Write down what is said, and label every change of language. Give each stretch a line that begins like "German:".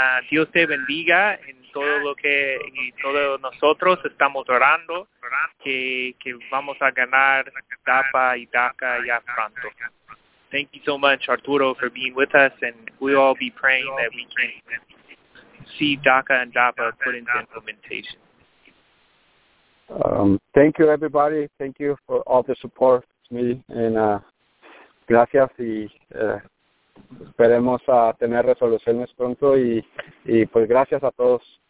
Spanish: Dios te bendiga en todo lo que y todos nosotros estamos orando que vamos a ganar DAPA y DACA ya pronto.
English: Thank you so much, Arturo, for being with us, and we all be praying that we can see DACA and DAPA put into implementation. Thank you, everybody. Thank you for all the support to me and
Spanish: gracias y esperemos a tener resoluciones pronto y pues gracias a todos.